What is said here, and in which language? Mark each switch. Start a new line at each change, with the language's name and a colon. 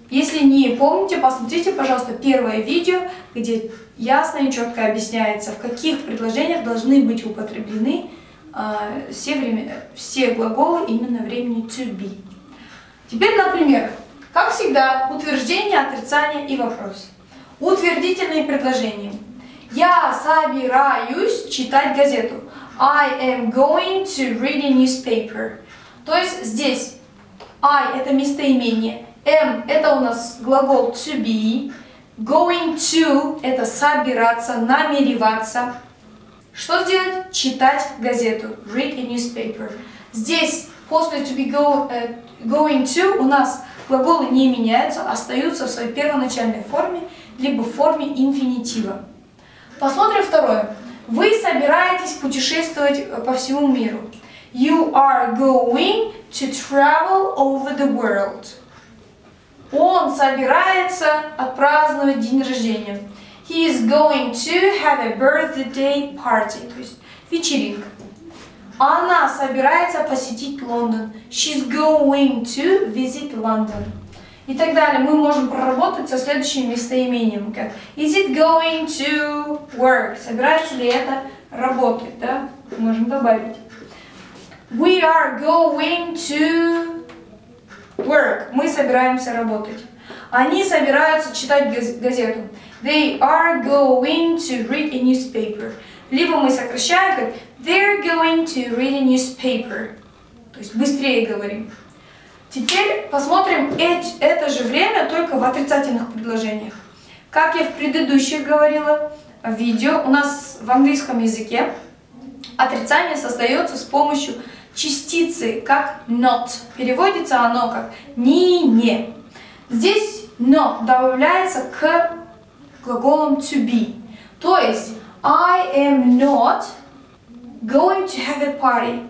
Russian: Если не помните, посмотрите, пожалуйста, первое видео, где ясно и четко объясняется, в каких предложениях должны быть употреблены все глаголы именно времени to be. Теперь на примерах. Как всегда, утверждение, отрицание и вопрос. Утвердительные предложения. Я собираюсь читать газету.
English: I am going to read a newspaper.
Russian: То есть здесь I – это местоимение. Am – это у нас глагол to be. Going to – это собираться, намереваться. Что сделать? Читать газету.
English: Read a newspaper.
Russian: Здесь после to be going to у нас глаголы не меняются, остаются в своей первоначальной форме, либо в форме инфинитива. Посмотрим второе. Вы собираетесь путешествовать по всему миру.
English: You are going to travel over the world.
Russian: Он собирается отпраздновать день рождения.
English: He is going to have a birthday party.
Russian: То есть вечеринка. Она собирается посетить Лондон.
English: She's going to visit London.
Russian: И так далее. Мы можем проработать со следующим местоимением, как
English: is it going to work?
Russian: Собирается ли это работать, да? Можем добавить.
English: We are going to work.
Russian: Мы собираемся работать. Они собираются читать газету.
English: They are going to read a newspaper.
Russian: Либо мы сокращаем, как
English: they're going to read a newspaper.
Russian: То есть быстрее говорим. Теперь посмотрим это же время только в отрицательных предложениях. Как я в предыдущих говорила в видео, у нас в английском языке отрицание создается с помощью частицы, как not. Переводится оно как не. Здесь not добавляется к глаголам to be. То есть
English: I am not going to have a party.